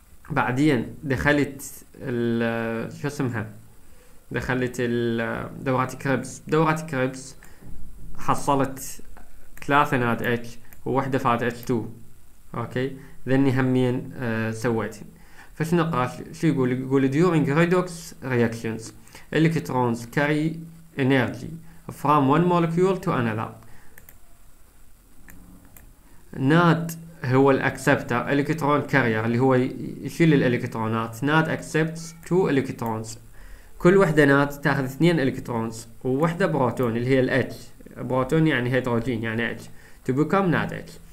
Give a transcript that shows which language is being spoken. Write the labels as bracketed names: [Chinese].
[Arabic] بعدين دخلت ال شو اسمها، دخلت دورات كريبس، دورات كريبس حصلت ثلاثة ناد اتش وواحدة فاد اتش 2. اوكي، ذني همين سويت. فش نقرا شو يقول؟ يقول [English] during redox reactions electrons carry energy from one molecule to another. [Arabic] ناد هو الاكسبتر، الكترون كارير اللي هو يشيل الالكترونات. [English] NAD accepts two electrons, [Arabic] كل وحده ناد تاخذ اثنين الكترونز ووحده بروتون اللي هي الاتش، بروتون يعني هيدروجين يعني اتش، تو بيكم ناد اتش.